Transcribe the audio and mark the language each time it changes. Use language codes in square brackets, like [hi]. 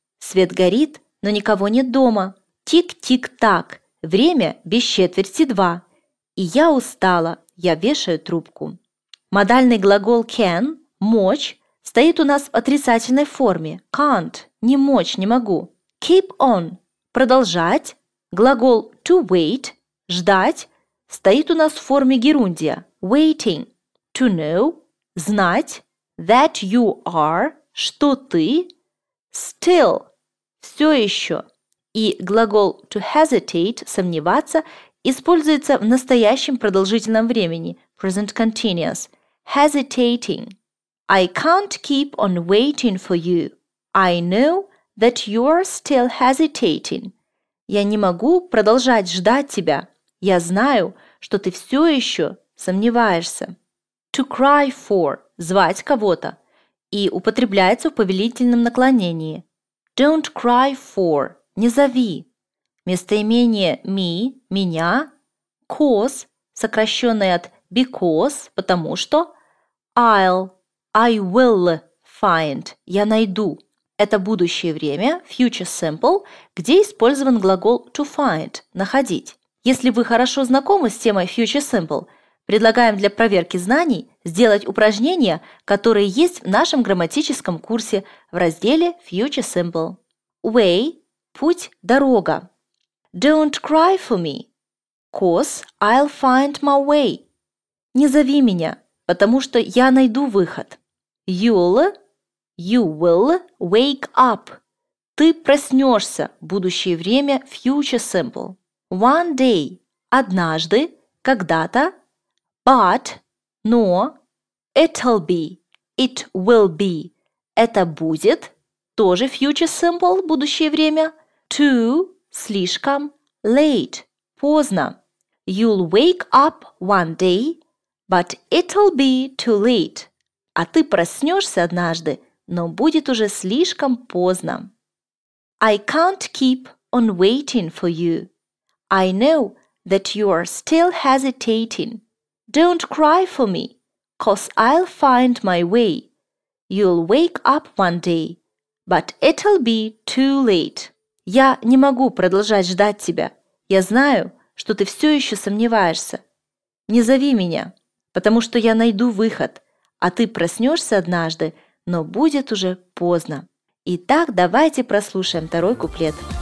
[ru] Свет горит, но никого нет дома. Тик, тик, так. Время без четверти два. И я устала. Я вешаю трубку. Модальный глагол can, мочь, стоит у нас в отрицательной форме. Can't, не мочь, не могу. [en] Keep on, продолжать. [ru] Глагол to wait, ждать, стоит у нас в форме герундия. [en] Waiting, to know. [ru] Знать, [en] that you are, [ru] что ты, still, все еще. И глагол to hesitate, сомневаться, используется в настоящем продолжительном времени, present continuous, hesitating. [en] I can't keep on waiting for you. I know that you're still hesitating. [ru] Я не могу продолжать ждать тебя. Я знаю, что ты все еще сомневаешься. [en] To cry for – [ru] звать кого-то. И употребляется в повелительном наклонении. [en] Don't cry for – [ru] не зови. Местоимение me – меня. Cause – сокращенное от [en] because, [ru] потому что, [en] I'll, I will find, [ru] я найду. Это будущее время, future simple, где использован глагол to find, находить. Если вы хорошо знакомы с темой future simple, предлагаем для проверки знаний сделать упражнения, которые есть в нашем грамматическом курсе в разделе future simple. Way – путь, дорога. [en] Don't cry for me, 'cause I'll find my way. [ru] Не зови меня, потому что я найду выход. [en] You'll, you will wake up. [ru] Ты проснешься, будущее время, future simple. [en] One day, [ru] однажды, когда-то. [en] But, но, it'll be, it will be. [ru] Это будет, тоже future simple, будущее время. Too, слишком, late, поздно. [en] You'll wake up one day, but it'll be too late. [ru] А ты проснешься однажды, но будет уже слишком поздно. [en] I can't keep on waiting for you. I know that you are still hesitating. Don't cry for me, 'cause I'll find my way. You'll wake up one day, but it'll be too late. [ru] Я не могу продолжать ждать тебя. Я знаю, что ты все еще сомневаешься. Не зови меня, потому что я найду выход, а ты проснешься однажды, но будет уже поздно. Итак, давайте прослушаем второй куплет.